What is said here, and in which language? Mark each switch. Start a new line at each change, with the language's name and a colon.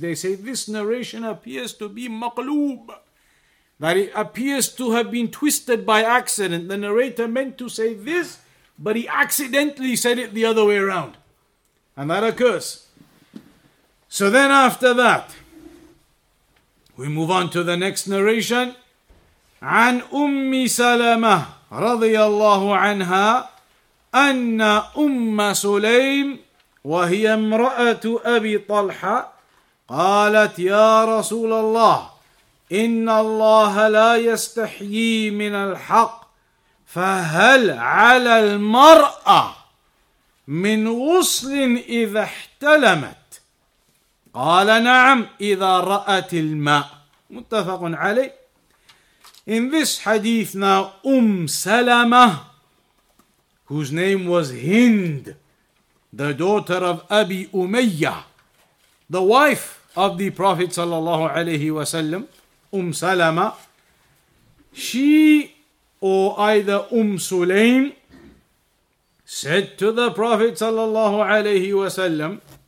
English: They say this narration appears to be maqloob, that it appears to have been twisted by accident. The narrator meant to say this, but he accidentally said it the other way around. And that occurs. So then after that, we move on to the next narration.
Arabic: عن أم سلمة رضي الله عنها أن أم سليم وهي امرأة أبي طلحة قالت يا رسول الله إن الله لا يستحيي من الحق فهل على المرأة من غسل إذا احتلمت قال نعم إذا رأت الماء متفق عليه.
English: In this hadith now, Salama, whose name was Hind, the daughter of Abi Umayyah, the wife of the Prophet sallallahu alayhi wa sallam, Salama, she, or either Sulaim, said to the Prophet sallallahu alayhi wa sallam,